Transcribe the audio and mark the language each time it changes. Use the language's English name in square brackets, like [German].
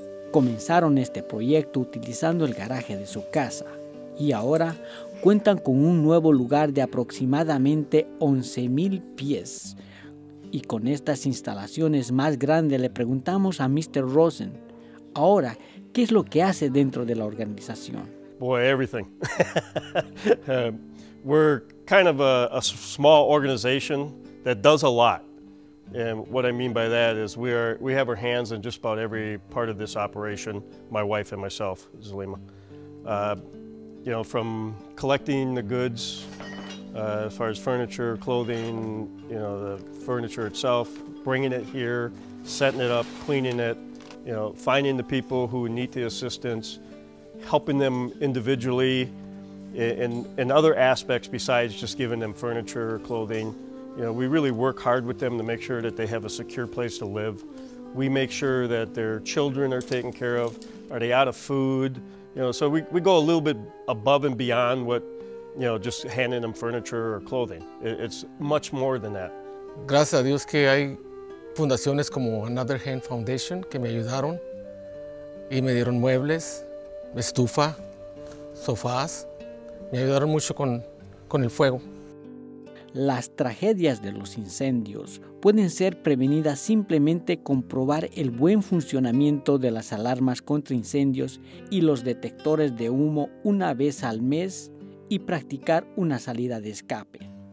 [Spanish] Comenzaron este proyecto utilizando el garaje de su casa y ahora cuentan con un nuevo lugar de aproximadamente 11,000 pies. Y con estas instalaciones más grandes le preguntamos a Mr. Rosen, ahora, ¿qué es lo que hace dentro de la organización? [English] Boy, everything. We're kind of a small organization that does a lot. And what I mean by that is we have our hands in just about every part of this operation, my wife and myself, Zalima. You know, from collecting the goods, as far as furniture, clothing, you know, the furniture itself, bringing it here, setting it up, cleaning it, you know, finding the people who need the assistance, helping them individually in other aspects besides just giving them furniture, clothing. You know, we really work hard with them to make sure that they have a secure place to live. We make sure that their children are taken care of. Are they out of food? You know, so we go a little bit above and beyond what, you know, just handing them furniture or clothing. It's much more than that. [Spanish] Gracias a Dios que hay fundaciones como Another Hand Foundation que me ayudaron y me dieron muebles, estufa, sofás. Me ayudaron mucho con el fuego. Las tragedias de los incendios pueden ser prevenidas simplemente con probar el buen funcionamiento de las alarmas contra incendios y los detectores de humo una vez al mes y practicar una salida de escape.